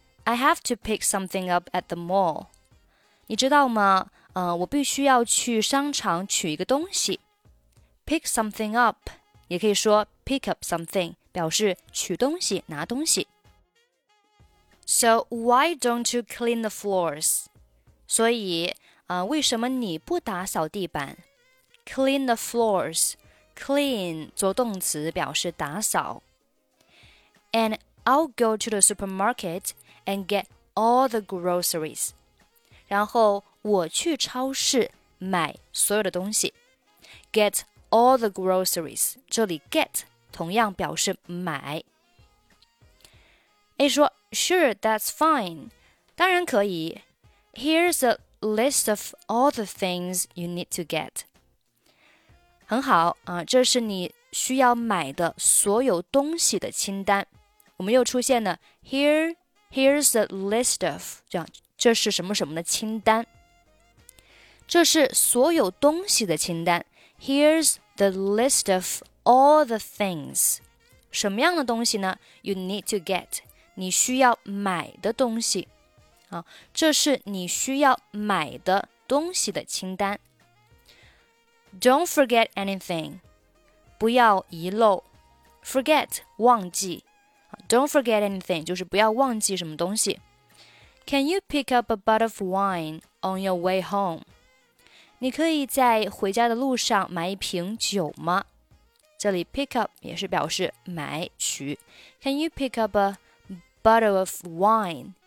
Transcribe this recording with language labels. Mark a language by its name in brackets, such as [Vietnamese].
[English] I have to pick something up at the mall. [Chinese] 你知道吗、我必须要去商场取一个东西。 [English] Pick something up, [Chinese] 也可以说 [English] pick up something, [Chinese] 表示取东西、拿东西。 [English] So, why don't you clean the floors? [Chinese] 所以、为什么你不打扫地板? [English] Clean the floors, [Chinese] clean, 做动词表示打扫。 [English] And I'll go to the supermarket and get all the groceries. [Chinese] 然后我去超市买所有的东西。 [English] Get all the groceries, [Chinese] 这里 get 同样表示买。 A 说 [English] Sure, that's fine, [Chinese] 当然可以。 [English] Here's a list of all the things you need to get. [Chinese] 很好、这是你需要买的所有东西的清单。我们又出现了 [English] Here's a list of, [Chinese] 这样这是什么什么的清单。这是所有东西的清单。 [English] Here's the list of all the things. [Chinese] 什么样的东西呢? [English] You need to get. [Chinese] 你需要买的东西。好，这是你需要买的东西的清单。 [English] Don't forget anything. [Chinese] 不要遗漏。 Forget, 忘记。 [English] Don't forget anything, [Chinese] 就是不要忘记什么东西。 [English] Can you pick up a bottle of wine on your way home? [Chinese] 你可以在回家的路上买一瓶酒吗？这里 pick up 也是表示买取。 [English] Can you pick up a bottle of wine?